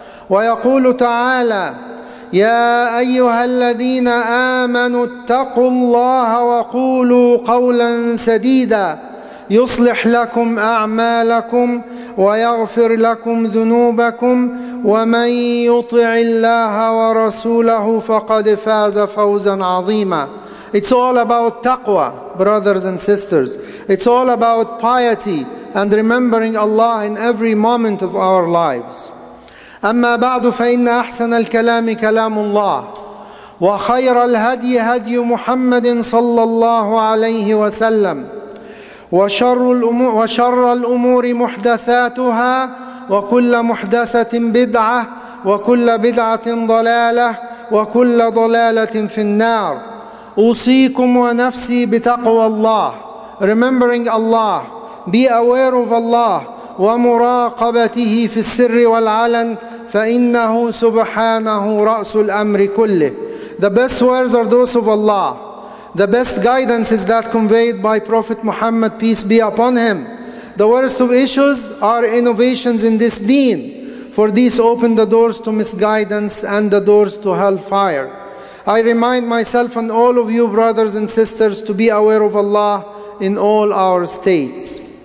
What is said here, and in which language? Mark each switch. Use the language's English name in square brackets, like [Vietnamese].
[Arabic] ويقول تعالى يا أيها الذين آمنوا اتقوا الله وقولوا قولا سديدا يصلح لكم أعمالكم ويغفر لكم ذنوبكم ومن يطع الله ورسوله فقد فاز فوزا عظيما [English] It's all about taqwa, brothers and sisters. It's all about piety and remembering Allah in every moment of our lives. [Arabic] أما بعد فإن أحسن الكلام كلام الله وخير الهدي هدي محمد صلى الله عليه وسلم وشر الأمور محدثاتها وكل محدثة بدعة وكل بدعة ضلالة وكل ضلالة في النار أوصيكم ونفسي بتقوى الله [English] Remembering Allah Be aware of Allah [Arabic] ومراقبته في السر والعلن فإنه سبحانه رأس الأمر كله [English] The best words are those of Allah The best guidance is that conveyed by Prophet Muhammad, peace be upon him. The worst of issues are innovations in this deen, for these open the doors to misguidance and the doors to hellfire. I remind myself and all of you, brothers and sisters, to be aware of Allah in all our states.